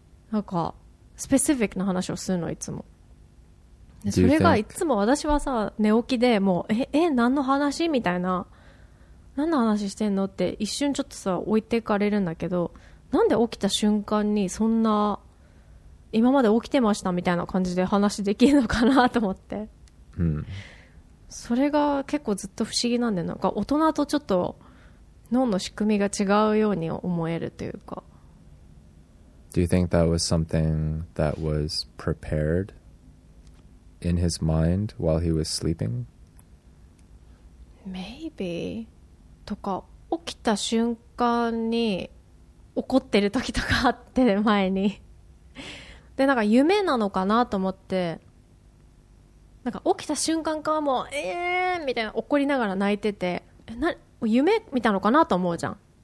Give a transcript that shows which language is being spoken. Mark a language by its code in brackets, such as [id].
[ja] なんかスペシフィックな話をするのいつもでそれがいつも私はさ寝起きでもうええ何の話みたいな何の話してんのって一瞬ちょっとさ置いてかれるんだけどなんで起きた瞬間にそんな今まで起きてましたみたいな感じで話できるのかなと思って、それが結構ずっと不思議なんでなんか大人とちょっと脳の仕組みが違うように思えるというか [en] Do you think that was something that was prepared in his mind while he was sleeping? Maybe. [ja] とか起きた瞬間に怒ってる時とかあって前にでなんか夢なのかなと思ってなんか起きた瞬間かもうええーみたいな怒りながら泣いててな夢見たのかなと思うじゃん。